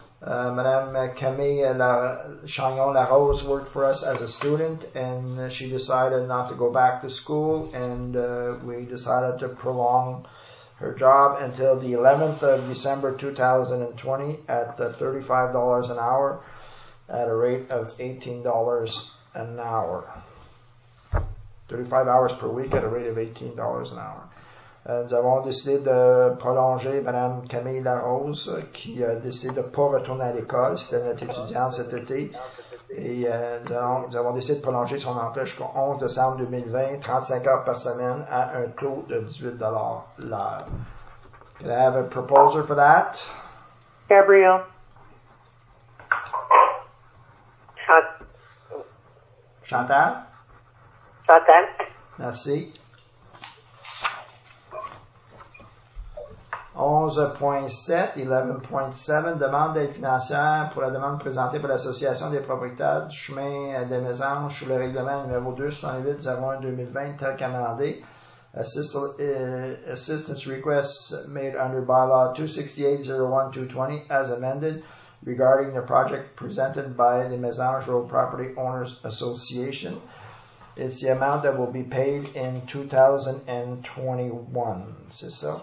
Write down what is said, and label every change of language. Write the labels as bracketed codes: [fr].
[en] Madame Camille Chagnon-Larose worked for us as a student and she decided not to go back to school and we decided to prolong her job until the 11th of December 2020 at $35 an hour at a rate of $18 an hour. 35 hours per week at a rate of $18 an hour. [fr] Nous avons décidé de prolonger Mme Camille Larose, qui a décidé de ne pas retourner à l'école. C'était notre étudiante cet été. Et nous avons décidé de prolonger son emploi jusqu'au 11 décembre 2020, 35 heures par semaine, à un taux de $18 l'heure. [en] Can I have a proposer for that? Gabriel. [fr] Chantal? Merci. 11.7, demande d'aide financière pour la demande présentée par l'Association des propriétaires du chemin des Mésanges sous le règlement numéro 278-01-2020 tel qu'amendé. [en] Assistance request made under bylaw 268-01-220 as amended regarding the project presented by the Mésanges Road Property Owners Association. It's the amount that will be paid in 2021, [fr] c'est ça?